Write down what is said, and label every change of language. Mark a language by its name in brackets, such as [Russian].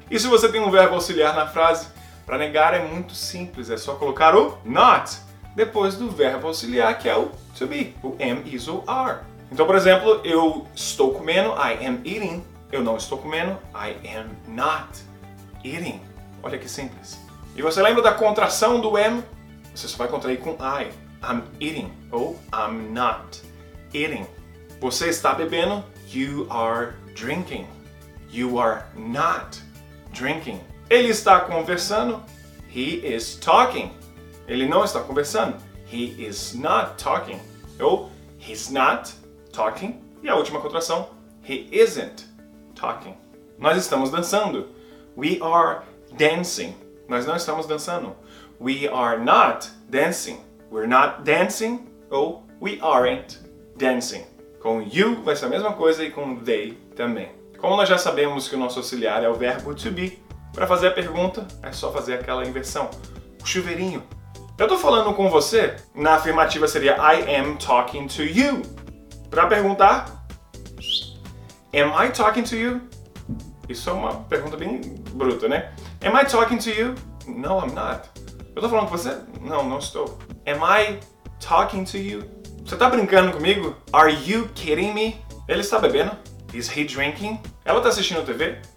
[Portuguese] E se você tem um verbo auxiliar na frase, para negar é muito simples. É só colocar o not depois do verbo auxiliar, que é o to be. O am, is ou are. Então, por exemplo, eu estou comendo, [English] I am eating. [Portuguese] Eu não estou comendo, [English] I am not eating. [Portuguese] Olha que simples. E você lembra da contração do am? Você só vai contrair com I. [English] I'm eating, ou I'm not eating. [Portuguese] Você está bebendo, [English] you are drinking. You are not drinking. [Portuguese] Ele está conversando, [English] he is talking. [Portuguese] Ele não está conversando, [English] he is not talking. Ou he's not talking. [Portuguese] E a última contração, [English] he isn't talking. [Portuguese] Nós estamos dançando, [English] we are dancing. [Portuguese] Nós não estamos dançando, [English] we are not dancing. We're not dancing, ou we aren't dancing. [Portuguese] Com you vai ser a mesma coisa e com they também. Como nós já sabemos que o nosso auxiliar é o verbo to be, para fazer a pergunta é só fazer aquela inversão, o chuveirinho. Eu estou falando com você, na afirmativa seria [English] I am talking to you. [Portuguese] Para perguntar, [English] am I talking to you? [Portuguese] Isso é uma pergunta bem bruta, né? [English] Am I talking to you? No, I'm not. [Portuguese] Eu estou falando com você? Não, não estou. [English] Am I talking to you? [Portuguese] Você está brincando comigo? [English] Are you kidding me? [Portuguese] Ele está bebendo? [English] Is he drinking? [Portuguese] Ela está assistindo TV?